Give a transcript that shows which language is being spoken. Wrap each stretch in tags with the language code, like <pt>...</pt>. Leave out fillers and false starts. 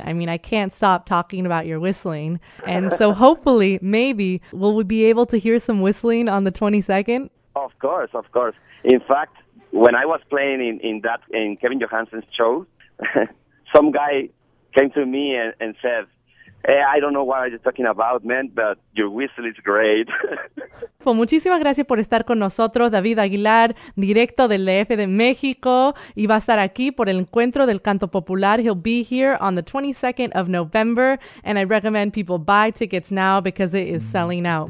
<en>I mean, I can't stop talking about your whistling. And so hopefully, maybe, will we be able to hear some whistling on the 22nd? Of course, of course. In fact, when I was playing in Kevin Johansson's show, some guy came to me and said, "Hey, I don't know what you're talking about, man, but your whistle is great."</en> <es>Well, muchísimas gracias por estar con nosotros, David Aguilar, directo del DF de México, y va a estar aquí por el Encuentro del Canto Popular.</es> <en>He'll be here on the 22nd of November, and I recommend people buy tickets now because it is selling out.</en>